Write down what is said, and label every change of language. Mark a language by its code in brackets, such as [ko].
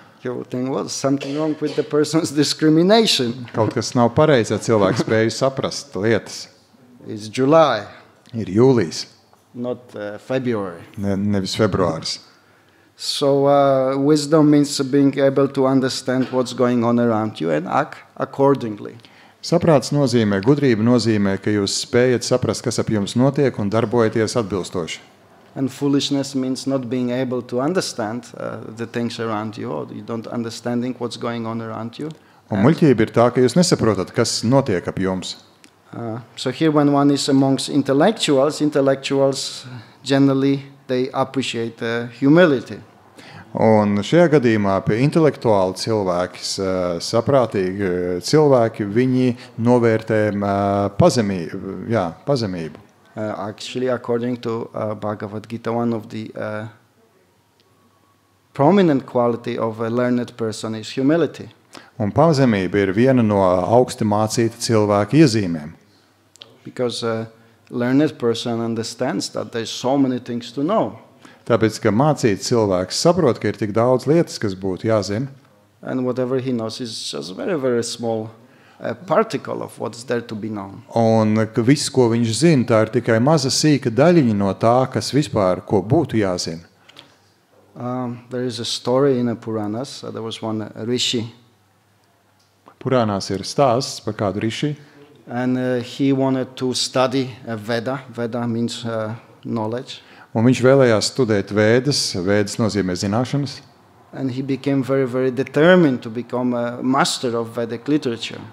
[en] You will think, well, something wrong with the person's discrimination. [lv] Kaut kas nav pareizi, ja cilvēks spēj saprast lietas. [en] It's July. [lv] Ir jūlijs. [en] Not February. [lv] Nevis februāris. [en] So wisdom means being able to understand what's going on around you and act accordingly. [lv] Saprāts nozīmē, gudrība nozīmē, ka jūs spējat saprast, kas ap jums notiek un darbojaties atbilstoši. [en] And foolishness means not being able to understand the things around you, or you don't understanding what's going on around you. [lv] Un muļķība ir tā, ka jūs nesaprotat, kas notiek ap jums. [en] So here when one is amongst intellectuals generally they appreciate the humility. [lv] Un šajā gadījumā pie intelektuāli cilvēks, saprātīgi cilvēki, viņi novērtē pazemību. [en] Actually, according to Bhagavad Gita, one of the prominent quality of a learned person is humility. [lv] Un pazemība ir viena no augsti mācīta cilvēka iezīmēm. [en] Because learned person understands that there's so many things to know. [lv] Tāpēc, ka mācīts cilvēks saprot, ka ir tik daudz lietas, kas būtu jāzina. [en] And whatever he knows is just very, very small particle of what's there to be known. [lv] Un viss, ko viņš zina, tā ir tikai maza sīka daļiņa no tā, kas vispār, ko būtu jāzina. [en] There is a story in a Puranas. There was one Rishi. [lv] Puranās ir stāsts par kādu Rishi. [en] And he wanted to study a Veda. Veda means knowledge. [lv] Un viņš vēlējās studēt Vēdas. Vēdas nozīmē zināšanas. [en] And he became very, very determined to become a master of Vedic literature.